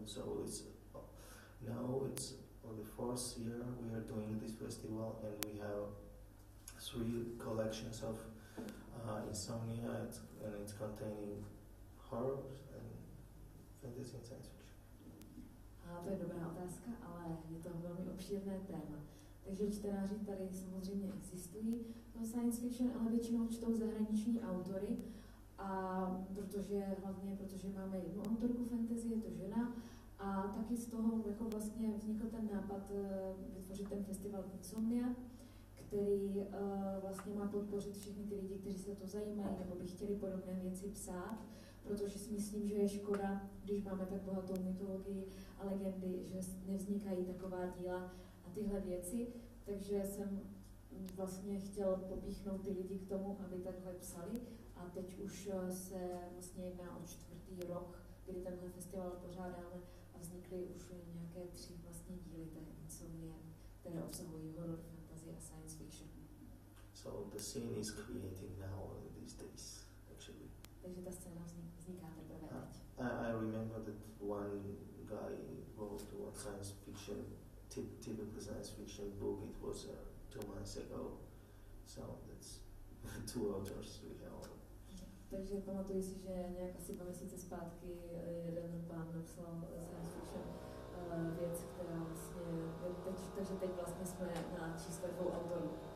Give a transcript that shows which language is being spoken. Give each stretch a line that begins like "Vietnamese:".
English: So it's now it's for the fourth year we are doing this festival, and we have three collections of insomnia, and it's containing horror and fantasy and science fiction. Absolutely.
Czech: to je dobrá otázka, ale je to velmi obšírné téma. Takže čtenáři tady samozřejmě existují pro science fiction, ale většinou čtou zahraniční autory. A protože hlavně, protože máme jednu autorku fantasy, je to žena, a taky z toho jako vlastně vznikl ten nápad vytvořit ten festival Insomnia, který vlastně má podpořit všechny ty lidi, kteří se to zajímají nebo by chtěli podobné věci psát, protože si myslím, že je škoda, když máme tak bohatou mytologii a legendy, že nevznikají taková díla a tyhle věci, takže jsem vlastně chtěl popíchnout ty lidi k tomu, aby takhle psali. A teď už se vlastně jedná o čtvrtý rok, kdy tenhle festival pořádáme a vznikly už nějaké tři vlastně díly té insomnie, které obsahují horror, fantasy a science fiction.
English: So the scene is creating now these days, actually.
Czech: Takže ta scéna vzniká teprve teď.
English: I remember that one guy wrote a science fiction, typical science fiction book, it was 2 months ago. So that's two authors we have.
Czech: Takže pamatuju si, že nějak asi 2 měsíce zpátky jeden pán napsal science fiction věc, která vlastně, takže teď vlastně jsme na čísle 2 autorů.